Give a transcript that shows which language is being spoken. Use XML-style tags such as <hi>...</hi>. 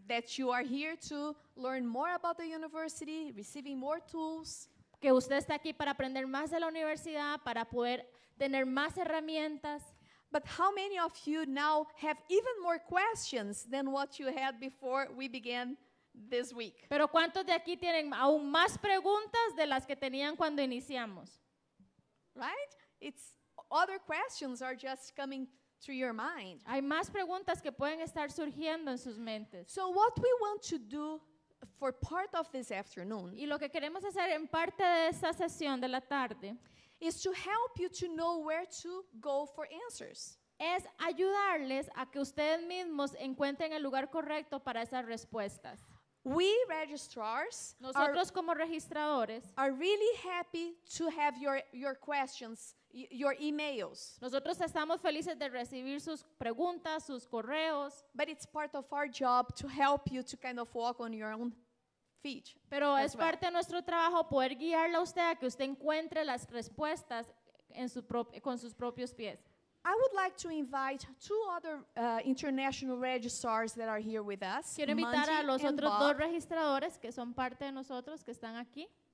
<en>That you are here to learn more about the university, receiving more tools.</en> <es>Que usted está aquí para aprender más de la universidad, para poder tener más herramientas.</es> <en>But how many of you now have even more questions than what you had before we began this week?</en> <es>Pero ¿cuántos de aquí tienen aún más preguntas de las que tenían cuando iniciamos?</es> <en>Right? It's other questions are just coming to your mind.</en> <es>Hay más preguntas que pueden estar surgiendo en sus mentes.</es> <en>So what we want to do for part of this afternoon,</en> <es>y lo que queremos hacer en parte de esta sesión de la tarde,</es> <en>is to help you to know where to go for answers.</en> <es>Es ayudarles a que ustedes mismos encuentren el lugar correcto para esas respuestas.</es> <en>We registrars,</en> <es>nosotros como registradores,</es> <en>are really happy to have your questions, your emails.</en> <es>Nosotros estamos felices de recibir sus preguntas, sus correos.</es> <en>But it's part of our job to help you to kind of walk on your own feet.</en> <es>Pero es parte de nuestro trabajo poder guiarla a usted a que usted encuentre las respuestas en su con sus propios pies.</es> <en>I would like to invite two other international registrars that are here with us.</en> <es>Quiero invitar a los otros dos registradores que son parte de nosotros que están aquí.</es>